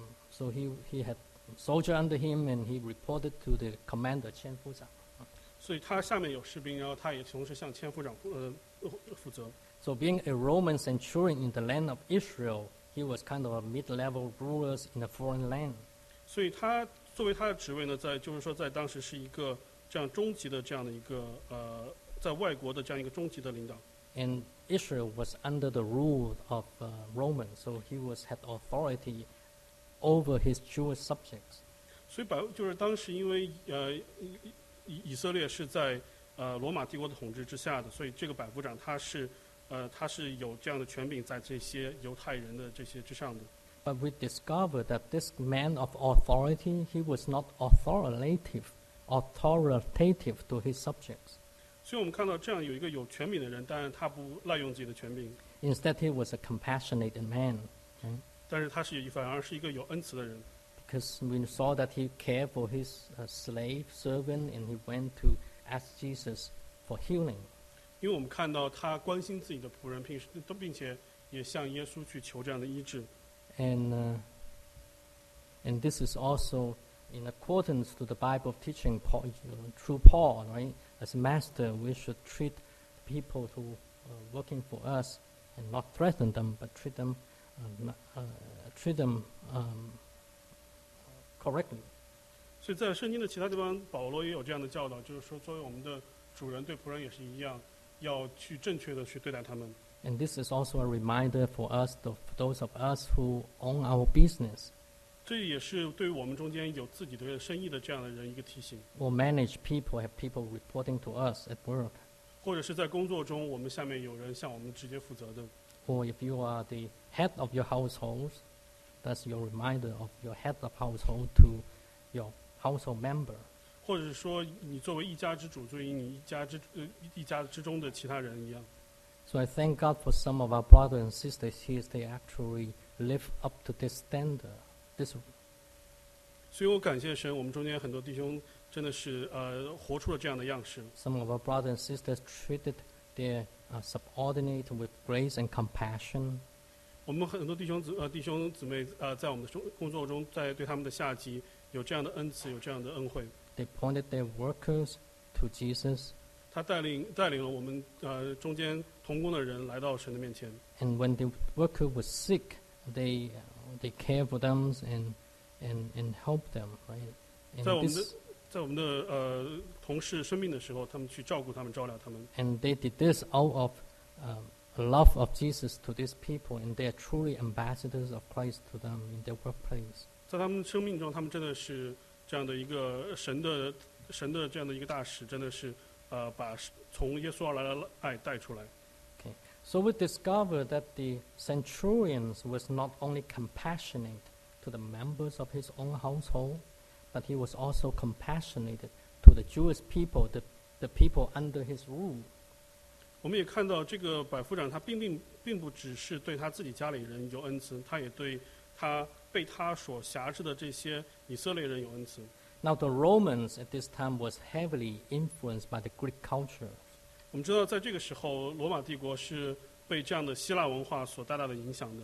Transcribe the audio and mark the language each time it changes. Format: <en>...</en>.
<en>So he had soldier under him, and he reported to the commander, 千夫长. So he</en> <zh>下面有士兵，然后他也同时向千夫长负责.</zh> <en>So being a Roman centurion in the land of Israel, he was kind of a mid-level ruler in a foreign land. So he</en> <zh>作为他的职位呢，在就是说在当时是一个这样中级的这样的一个在外国的这样一个中级的领导.</zh> <en>And Israel was under the rule of Romans, so he was had authority over his Jewish subjects.</en> <zh>所以就是当时因为以色列是在罗马帝国的统治之下的，所以这个百夫长他是有这样的权柄在这些犹太人的这些之上的。</zh> <en>But we discovered that this man of authority, he was not authoritative to his subjects.</en> <zh>所以我们看到这样有一个有权柄的人，但是他不滥用自己的权柄。</zh> <en>Instead, he was a compassionate man.</en> <zh>但是他是反而是一个有恩慈的人。</zh> <en>Because we saw that he cared for his slave servant, and he went to ask Jesus for healing.</en> <zh>因为我们看到他关心自己的仆人，并且也向耶稣去求这样的医治。</zh> <en>And this is also in accordance to the Bible teaching through Paul, right? As a master, we should treat people who are working for us and not threaten them, but treat them correctly.</en> <zh>所以在圣经的其他地方，保罗也有这样的教导，就是说，作为我们的主人对仆人也是一样，要去正确的去对待他们。</zh> <en>And this is also a reminder for us, for those of us who own our business.</en> <zh>这也是对于我们中间有自己的生意的这样的人一个提醒。</zh> <en>We manage people, have people reporting to us at work.</en> <zh>或者是在工作中，我们下面有人向我们直接负责的。</zh> <en>Or if you are the head of your household, that's your reminder of your head of household to your household member.</en> <zh>或者说，你作为一家之主，对于你一家之中的其他人一样。</zh> <en>So I thank God for some of our brothers and sisters here. They actually live up to this standard.</en> <zh>所以我感谢神，我们中间很多弟兄真的是活出了这样的样式。</zh> <en>Some of our brothers and sisters treated their subordinate with grace and compassion.</en> <zh>我们很多弟兄姊妹在我们的工作中，在对他们的下级有这样的恩慈，有这样的恩惠。</zh> <en>They pointed their workers to Jesus.</en> <zh>他带领了我们中间同工的人来到神的面前。</zh> <en>And when the worker was sick, they care for them and help them, right?</en> <zh>在我们的同事生病的时候，他们去照顾他们，照料他们。</zh> <en>And they did this out of love of Jesus to these people, and they are truly ambassadors of Christ to them in their workplace.</en> <zh>在他们生命中，他们真的是这样的一个神的这样的一个大使，真的是把从耶稣而来的爱带出来。</zh> <en>So we discover that the centurions was not only compassionate to the members of his own household, but he was also compassionate to the Jewish people, the people under his rule.</en> <zh>我们也看到这个百夫长，他并不只是对他自己家里人有恩慈，他也对他被他所辖制的这些以色列人有恩慈。</zh> <en>Now the Romans at this time was heavily influenced by the Greek culture.</en> <zh>我们知道在这个时候罗马帝国是被这样的希腊文化所大大的影响的。</zh>